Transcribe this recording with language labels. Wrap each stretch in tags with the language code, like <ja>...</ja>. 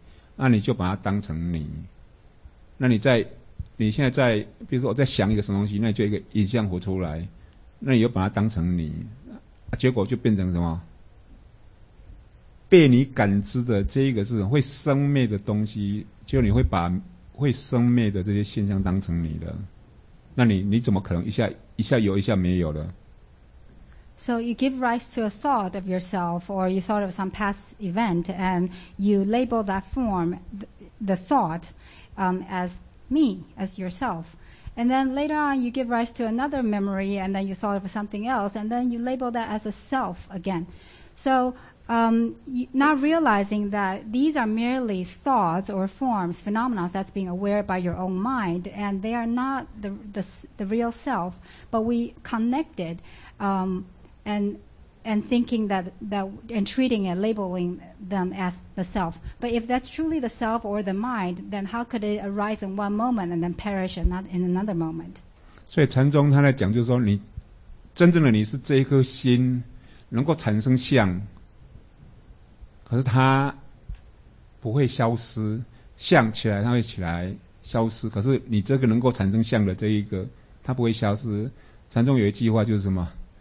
<zh>所以我们在讲我的时候，其实是你的心，你浮出一个意识记忆的一个什么影像，那你认为那个影像是你，可是谁来让这个影像浮出来？是你的心让这个影像引出来，那影像只是一个什么暂时一个现象起来，那你就把它当成你。那你在你现在在，比如说我在想一个什么东西，那你就一个影像浮出来，那你又把它当成你，结果就变成什么？被你感知的这一个是会生灭的东西，就你会把会生灭的这些现象当成你的，那你怎么可能一下有一下没有了？</zh> <en>So you give rise to a thought of yourself, or you thought of some past event, and you label that form, the thought, as me, as yourself. And then later on, you give rise to another memory, and then you thought of something else, and then you label that as a self again. So not realizing that these are merely thoughts or forms, phenomena that's being aware by your own mind, and they are not the real self, but we connected. And thinking that and treating it, labeling them as the self. But if that's truly the self or the mind, then how could it arise in one moment and then perish and not in another moment?</en> <zh>所以禅宗他在讲，就是说你真正的你是这一颗心，能够产生相，可是它不会消失，相起来它会起来消失，可是你这个能够产生相的这一个，它不会消失。禅宗有一句话就是什么？</zh>